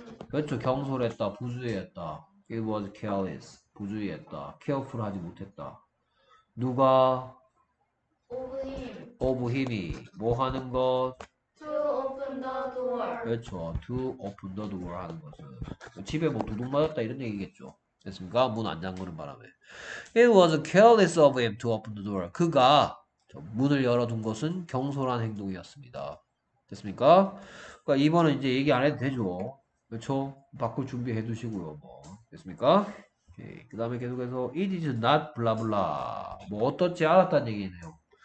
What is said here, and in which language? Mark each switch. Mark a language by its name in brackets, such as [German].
[Korean] 그렇죠. 경솔했다. 부주의했다. [English] It was careless. [Korean] 부주의했다. careful 하지 못했다. 누가? [English] Of him이. [Korean] 뭐 하는 것? [English] To open the door. 그렇죠. To open the door [Korean] 하는 것은. 집에 뭐 도둑맞았다 이런 얘기겠죠. 됐습니까? 문 안 잠그는 바람에. [English] It was careless of him to open the door. [Korean] 그가 문을 열어둔 것은 경솔한 행동이었습니다. 됐습니까? 그러니까 이번은 이제 얘기 안 해도 되죠. 그렇죠? 바꿀 준비해 두시고요. 뭐. 됐습니까? 그 다음에 계속해서 It is not 블라블라. 뭐 어떻지 않았다는 얘기네요.